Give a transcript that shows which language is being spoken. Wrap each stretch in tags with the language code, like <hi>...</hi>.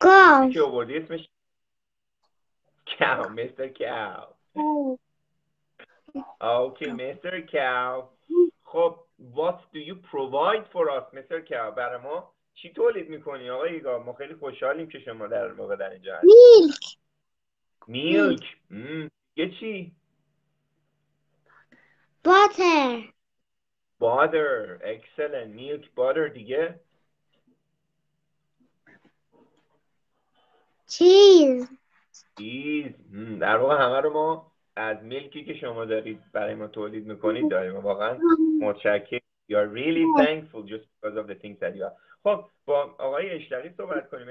<en>Cow. Mr. Cow. Okay, Mr. Cow. خب, what do you provide for us, Mr. Cow?</en> <fa>برای ما چی تولید میکنی آقا ایگا؟ ما خیلی خوشحالیم که شما در موقع در اینجا هستیم.</fa> <en>Milk.</en> <fa>میلک. یه چی؟</fa> <en>Butter. Butter. Excellent. Milk butter دیگه؟ Cheese. Cheese.</en> <fa>در واقع همه رو ما از میلکی که شما دارید برای ما تولید میکنید داریم. واقعا متشکرم.</fa> <en>You are really thankful just because of the things that you have.</en> <fa>خب با آقای اشلاقی صحبت کنیم.</fa>